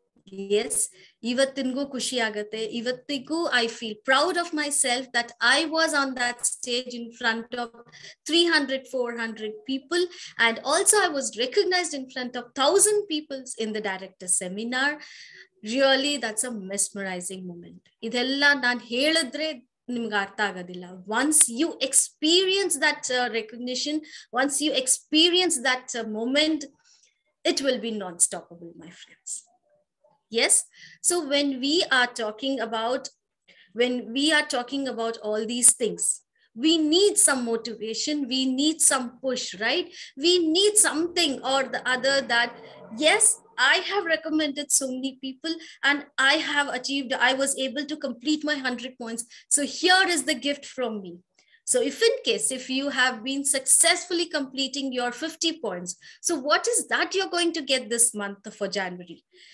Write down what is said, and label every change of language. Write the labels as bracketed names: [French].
[English] Yes, [Kannada] ivattingu kushi agate, ivattigu [English] I feel proud of myself that I was on that stage in front of 300, 400 people. And also I was recognized in front of 1,000 people in the director seminar. Really, that's a mesmerizing moment. [Kannada] ಇದೆಲ್ಲ ನಾನು ಹೇಳಿದ್ರೆ ನಿಮ್ಗೆ ಅರ್ಥ ಆಗೋದಿಲ್ಲ. [English] Once you experience that recognition, once you experience that moment, it will be non stoppable my friends. Yes, so when we are talking about, when we are talking about all these things, we need some motivation, we need some push, right? We need something or the other that, yes, I have recommended so many people and I have achieved, I was able to complete my 100 points. So here is the gift from me. So if in case, if you have been successfully completing your 50 points, so what is that you're going to get this month for January?